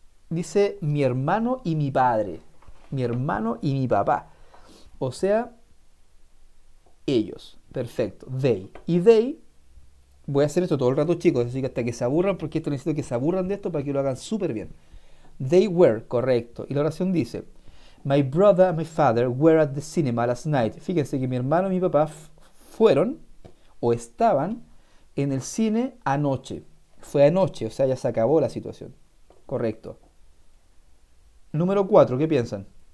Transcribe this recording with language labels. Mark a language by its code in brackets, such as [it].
[es] Dice mi hermano y mi padre. Mi hermano y mi papá. O sea, ellos. Perfecto. They. Y they, voy a hacer esto todo el rato, chicos. Así que hasta que se aburran, porque esto necesito que se aburran de esto para que lo hagan súper bien. [en] They were, [es] correcto. Y la oración dice, [en] my brother and my father were at the cinema last night. [es] Fíjense que mi hermano y mi papá fueron o estaban en el cine anoche. Fue anoche, o sea, ya se acabó la situación. Correcto. Número 4, ¿qué piensan?